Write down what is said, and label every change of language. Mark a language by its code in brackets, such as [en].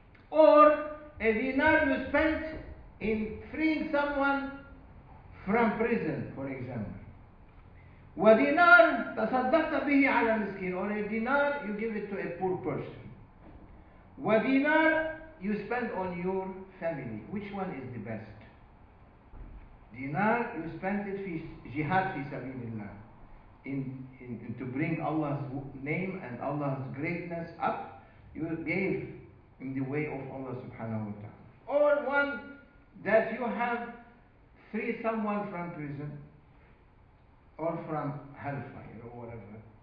[en] Or a dinar you spent in freeing someone from prison, for example. [ar] وَدِنَار تَصَدَّقْتَ بِهِ عَلَى مِسْكِينَ. [en] Or a dinar you give it to a poor person. [ar] وَدِنَار [en] you spend on your family. Which one is the best? Dinar you spent it [ar] في [en] jihad [ar] في سبيل الله. [en] In to bring Allah's name and Allah's greatness up, you gave in the way of Allah subhanahu wa ta'ala. Or one that you have freed someone from prison or from hellfire or whatever.